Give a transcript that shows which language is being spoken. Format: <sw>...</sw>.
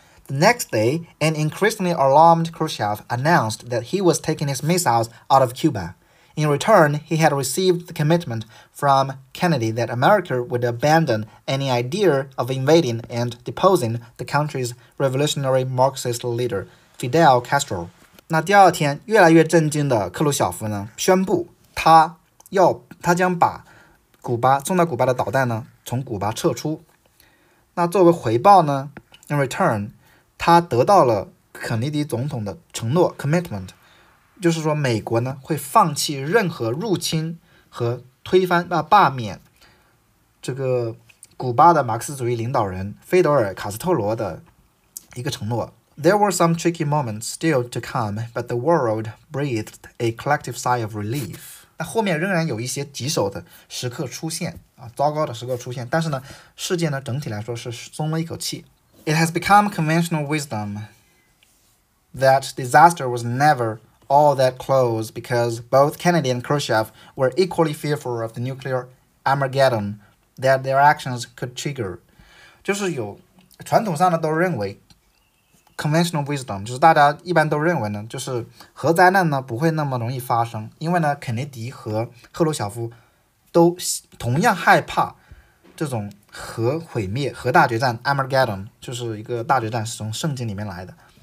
<en>The next day, an increasingly alarmed Khrushchev announced that he was taking his missiles out of Cuba. In return, he had received the commitment from Kennedy that America would abandon any idea of invading and deposing the country's revolutionary Marxist leader, Fidel Castro.</en> <zh>那第二天，越来越震惊的克鲁晓夫呢，宣布他将把古巴送到古巴的导弹呢，从古巴撤出。那作为回报呢 ，</zh> <en>in return。</en> <zh>他得到了肯尼迪总统的承诺 commitment, 就是说美国呢会放弃任何入侵和推翻罢免这个古巴的马克思主义领导人菲德尔·卡斯特罗的一个承诺。</zh> <en>There were some tricky moments still to come, but the world breathed a collective sigh of relief.</en> <zh>那后面仍然有一些棘手的时刻出现啊，糟糕的时刻出现，但是呢，世界呢整体来说是松了一口气。</zh> <en>It has become conventional wisdom that disaster was never all that close because both Kennedy and Khrushchev were equally fearful of the nuclear Armageddon that their actions could trigger.</en> <zh>就是有传统上的都认为 conventional wisdom 就是大家一般都认为呢，就是核灾难呢不会那么容易发生，因为呢肯尼迪和赫鲁晓夫都同样害怕这种核毁灭，核大决战 Armageddon 就是一个大决战，是从圣经里面来的。</zh>